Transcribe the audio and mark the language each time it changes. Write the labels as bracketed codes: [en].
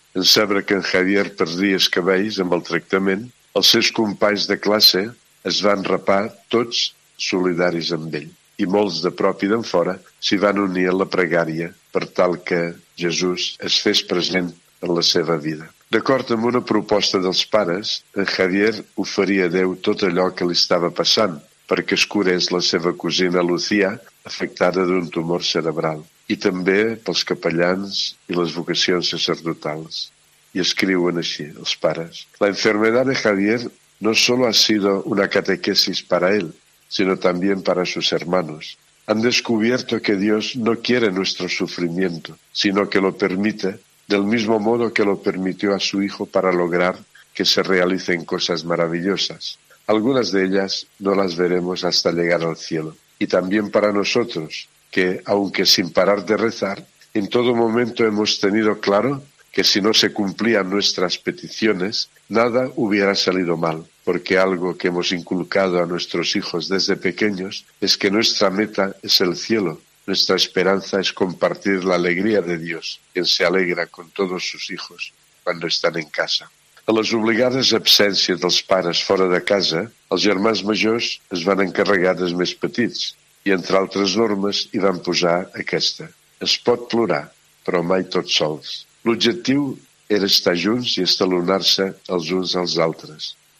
[ca] En saber que en Javier perdia els cabells amb el tractament, els seus companys de classe es van rapar tots solidaris amb ell i molts de prop i d'en fora s'hi van unir a la pregària per tal que Jesús es fes present en la seva vida. D'acord amb una proposta dels pares, en Javier oferia a Déu tot allò que li estava passant perquè es curés la seva cosina Lucía, afectada d'un tumor cerebral, i també pels capellans i les vocacions sacerdotals. I escriuen així els pares: [es] la enfermedad de Javier no solo ha sido una catequesis para él, sino también para sus hermanos. Han descubierto que Dios no quiere nuestro sufrimiento, sino que lo permite, del mismo modo que lo permitió a su hijo para lograr que se realicen cosas maravillosas. Algunas de ellas no las veremos hasta llegar al cielo. Y también para nosotros, que, aunque sin parar de rezar, en todo momento hemos tenido claro que si no se cumplían nuestras peticiones, nada hubiera salido mal, porque algo que hemos inculcado a nuestros hijos desde pequeños es que nuestra meta es el cielo, nuestra esperanza es compartir la alegría de Dios, quien se alegra con todos sus hijos cuando están en casa. [ca] A les obligades absències dels pares fora de casa, els germans majors es van encarregar dels més petits i, entre altres normes, hi van posar aquesta: es pot plorar, però mai tots sols. L'objectiu era estar junts i estalonar-se els uns als altres.